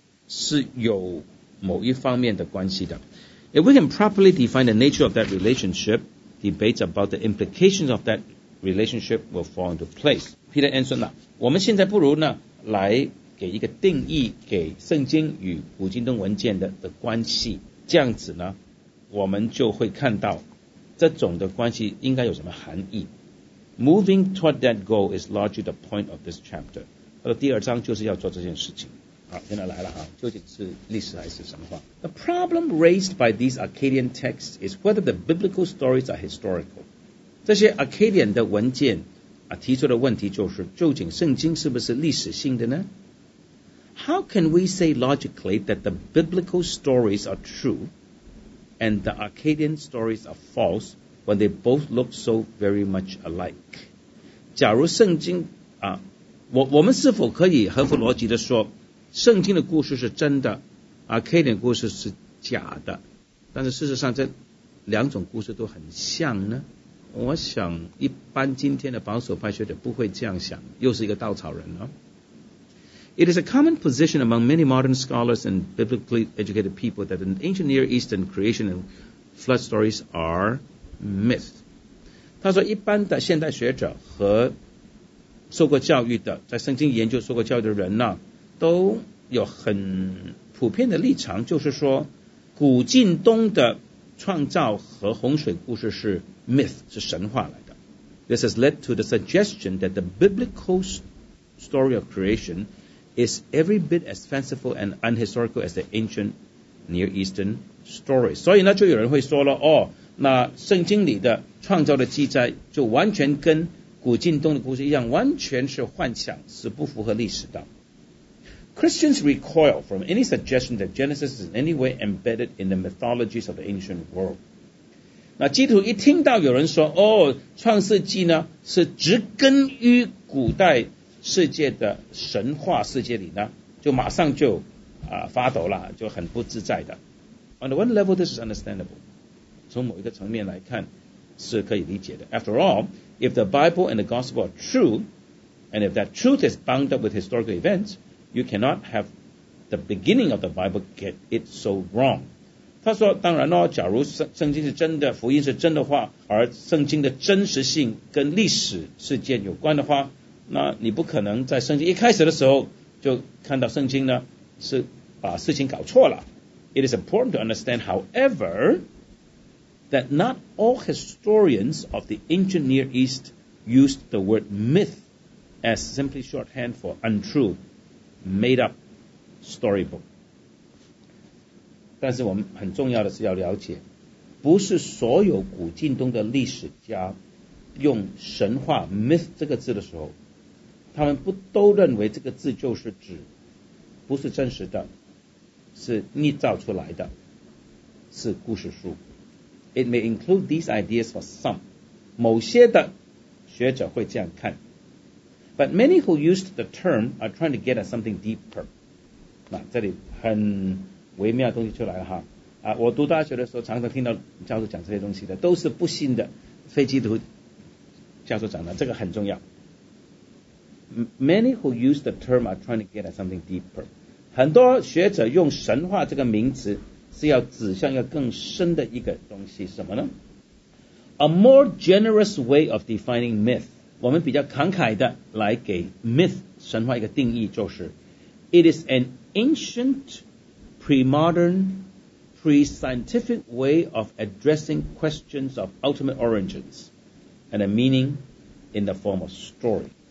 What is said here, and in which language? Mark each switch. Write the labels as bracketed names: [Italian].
[Chinese] 是有某一方面的关系的。 [English] If we can properly define the nature of that relationship, debates about the implications of that relationship will fall into place. [Chinese] Peter Anson 呢，我们现在不如呢来给一个定义，给圣经与古近东文件的关系，这样子呢我们就会看到这种的关系应该有什么含义。 [English] Moving toward that goal is largely the point of this chapter. [Chinese] 第二章就是要做这件事情。好，现在来了啊，究竟是历史还是神话？ [English] The problem raised by these Arcadian texts is whether the biblical stories are historical. [Chinese] 这些 Arcadian 的文件啊，提出的问题就是，究竟圣经是不是历史性的呢？ [English] How can we say logically that the biblical stories are true and the Arcadian stories are false when they both look so very much alike? [Chinese] 假如圣经啊，我们是否可以合乎逻辑的说？圣经的故事是真的， Arcadian 故事是假的，但是事实上这两种故事都很像呢。我想一般今天的保守派学者不会这样想，又是一个稻草人呢。 [English] It is a common position among many modern scholars and biblically educated people that the ancient Near Eastern creation and flood stories are myth. [Chinese] 他说一般的现代学者和受过教育的，在圣经研究受过教育的人呢，都有很普遍的立场，就是说古近东的创造和洪水故事是 myth， 是神话来的。 [English] This has led to the suggestion that the biblical story of creation is every bit as fanciful and unhistorical as the ancient Near Eastern story. [Chinese] 所以呢就有人会说了，哦，那圣经里的创造的记载就完全跟古近东的故事一样，完全是幻想，是不符合历史的。 [English] Christians recoil from any suggestion that Genesis is in any way embedded in the mythologies of the ancient world. [Chinese] 那基督徒一听到有人说，哦，创世纪呢是植根于古代世界的神话世界里呢，就马上就发抖了，就很不自在的。 [English] On one level, this is understandable. [Chinese] 从某一个层面来看，是可以理解的。 [English] After all, if the Bible and the Gospel are true, and if that truth is bound up with historical events,You cannot have the beginning of the Bible get it so wrong. [Chinese] 他说当然哦，假如圣经是真的，福音是真的话，而圣经的真实性跟历史事件有关的话，那你不可能在圣经一开始的时候就看到圣经呢是把事情搞错了。 [English] It is important to understand, however, that not all historians of the ancient Near East used the word myth as simply shorthand for untrue. Made up storybook. [Chinese] 但是我们很重要的是要了解，不是所有古近东的历史家用神话 myth 这个字的时候，他们不都认为这个字就是指不是真实的，是捏造出来的，是故事书。 [English] It may include these ideas for some. [Chinese] 某些的学者会这样看。 [English] But many who used the term are trying to get at something deeper. [Chinese] 那这里很微妙的东西出来了哈。啊，我读大学的时候常常听到教授讲这些东西的，都是不信的非基督徒教授讲的，这个很重要。 Many who use the term are trying to get at something deeper. 很多学者用神话这个名词是要指向一个更深的一个东西，什么呢？ [English] A more generous way of defining myth. [Chinese] 我们比较慷慨的来给 myth 神话一个定义，就是 [English] It is an ancient, pre-modern, pre-scientific way of addressing questions of ultimate origins and a meaning in the form of story.